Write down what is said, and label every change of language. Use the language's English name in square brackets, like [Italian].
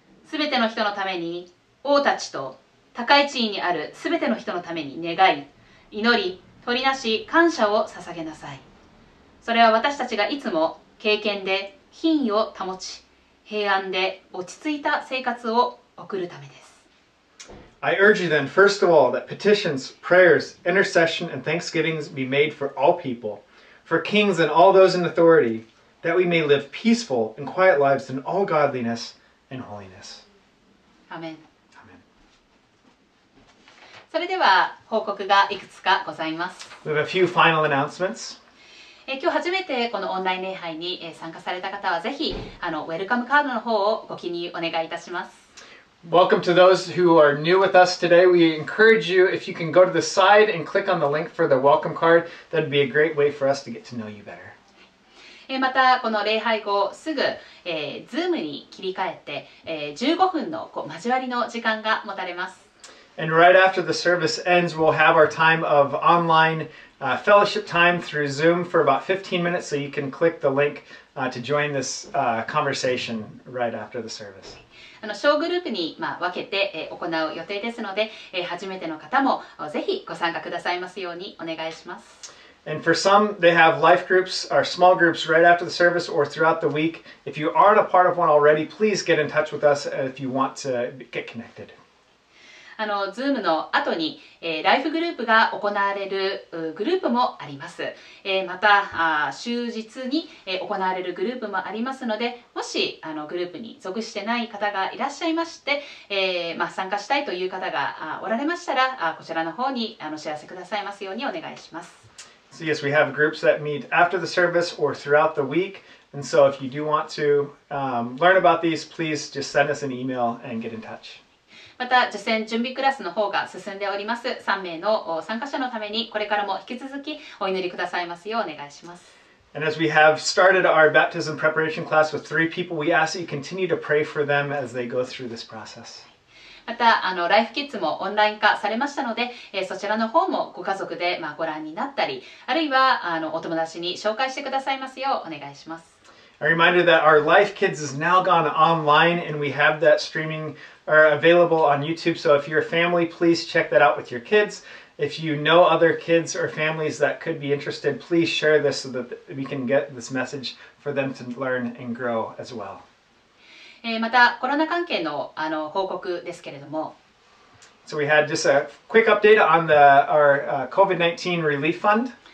[Japanese] すべての人のために、王たちと高い地位にあるすべての人のために願い、祈り、取りなし、感謝を捧げなさい。それは私たちがいつも敬虔で品位を保ち、平安で落ち着いた生活を送るためです。 [English] I urge you then, first of all, that petitions, prayers, intercession, and thanksgivings be made for all people, for kings and all those in authority, that we may live peaceful and quiet lives in all godliness and holiness. Amen. Amen. [Japanese] それでは報告がいくつかございます。 [English] We have a few final announcements. [Japanese] 今日初めてこのオンライン礼拝に参加された方は、ぜひウェルカムカードの方をご記入お願いいたします。 [English] Welcome to those who are new with us today. We encourage you, if you can go to the side and click on the link for the welcome card, that'd be a great way for us to get to know you better. [Japanese] またこの礼拝後すぐ、Zoom に切り替えて、15分のこう交わりの時間が持たれます。 [English] And right after the service ends, we'll have our time of online, fellowship time through Zoom for about 15 minutes, so you can click the link, to join this, conversation right after the service. [Japanese] 小グループに、分けて、行う予定ですので、初めての方もぜひご参加くださいますようにお願いします。 [English] And for some, they have life groups or small groups right after the service or throughout the week. If you aren't a part of one already, please get in touch with us if you want to get connected. [Japanese] Zoom の後に、ライフグループが行われるグループもあります。また、終日に、行われるグループもありますので、もしグループに属してない方がいらっしゃいまして、参加したいという方がおられましたら、こちらの方にお知らせくださいますようにお願いします。 [English] So yes, we have groups that meet after the service or throughout the week. And so if you do want to, learn about these, please just send us an email and get in touch. [Japanese] また受選準備クラスの方が進んでおります3名の参加者のためにこれからも引き続きお祈りくださいますようお願いします。 [English] And as we have started our baptism preparation class with three people, we ask that you continue to pray for them as they go through this process. [Japanese] またライフキッズもオンライン化されましたので、そちらの方もご家族で、ご覧になったり、あるいはお友達に紹介してくださいますようお願いします。 [English] A reminder that our Life Kids is now gone online and we have that streaming available on YouTube. So if you're a family, please check that out with your kids. If you know other kids or families that could be interested, please share this so that we can get this message for them to learn and grow as well. [Japanese] またコロナ関係の報告ですけれども。 [English] So we had just a quick update on our COVID-19 relief fund.